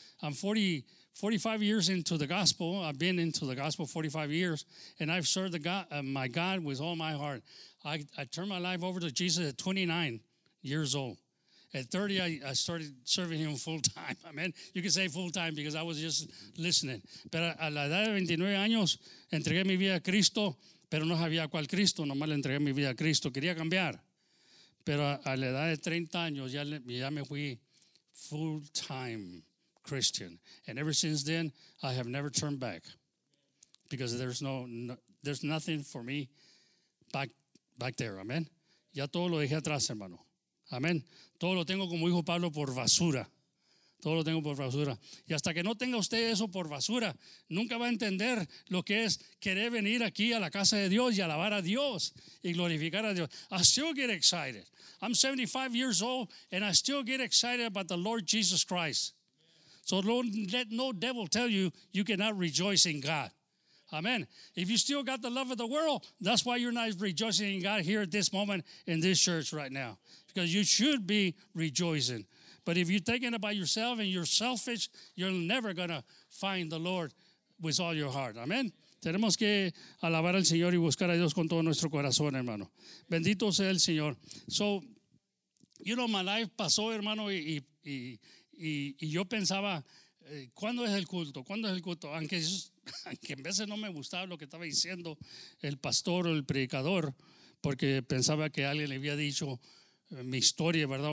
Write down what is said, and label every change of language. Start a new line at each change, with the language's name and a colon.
English: I'm 45 years into the gospel. I've been into the gospel 45 years, and I've served the God, my God with all my heart. I turned my life over to Jesus at 29 years old, At 30, I started serving him full time. Amen. You can say full time because I was just listening.
Spanish: Pero a la edad de 29 años, entregué mi vida a Cristo, pero no sabía cuál Cristo. Nomás le entregué mi vida a Cristo. Quería cambiar. Pero a la edad de 30 años, ya me fui
English: full time Christian. And ever since then, I have never turned back. Because there's nothing for me back there. Amen.
Spanish: Ya todo lo dejé atrás, hermano. Amén. Todo lo tengo como hijo Pablo por basura. Todo lo tengo por basura. Y hasta que no tenga usted eso por basura, nunca va a entender lo que es querer venir aquí a la casa de Dios y alabar a Dios y glorificar a Dios.
English: I still get excited. I'm 75 years old and I still get excited about the Lord Jesus Christ. So don't let no devil tell you you cannot rejoice in God. Amen. If you still got the love of the world, that's why you're not rejoicing in God here at this moment in this church right now. Because you should be rejoicing. But if you're thinking about yourself and you're selfish, you're never going to find the Lord with all your heart. Amen.
Spanish: Tenemos que alabar al Señor y buscar a Dios con todo nuestro corazón, hermano. Bendito sea el Señor.
English: So, you know, my life
Spanish: pasó, hermano, y yo pensaba, ¿cuándo es el culto? ¿Cuándo es el culto? Aunque en veces no me gustaba lo que estaba diciendo el pastor o el predicador, porque pensaba que alguien le había dicho mi historia, ¿verdad?